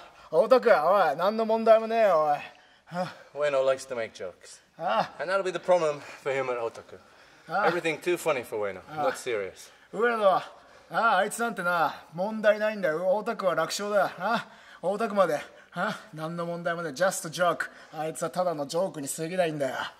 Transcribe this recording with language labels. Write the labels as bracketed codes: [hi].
[ja] オタク、おい、何の問題もねえよ、おい。 Huh? [en] Ueno likes to make jokes. Ah. And that'll be the problem for him at Otaku. Ah. Everything too funny for Ueno, not serious. [ja] Ueno, ah, あいつなんてな、問題ないんだよ。 Otaku は楽勝だ。Ah, Otaku まで。Ah, 何の問題もない。 Just a joke. あいつはただのジョークに過ぎないんだよ。